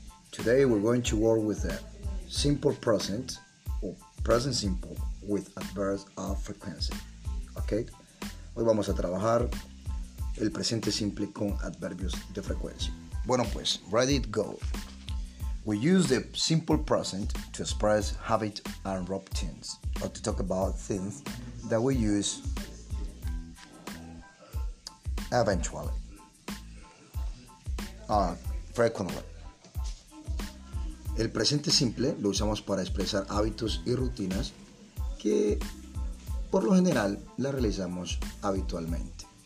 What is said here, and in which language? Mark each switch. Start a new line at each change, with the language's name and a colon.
English: Today we're going to work with a simple present or present simple with adverbs of frequency. Okay?
Spanish: Hoy vamos a trabajar el presente simple con adverbios de frecuencia. Bueno pues,
English: ready to go. We use the simple present to express habit and routines, or to talk about things that we use eventually, frequently.
Spanish: El presente simple lo usamos para expresar hábitos y rutinas que por lo general las realizamos habitualmente.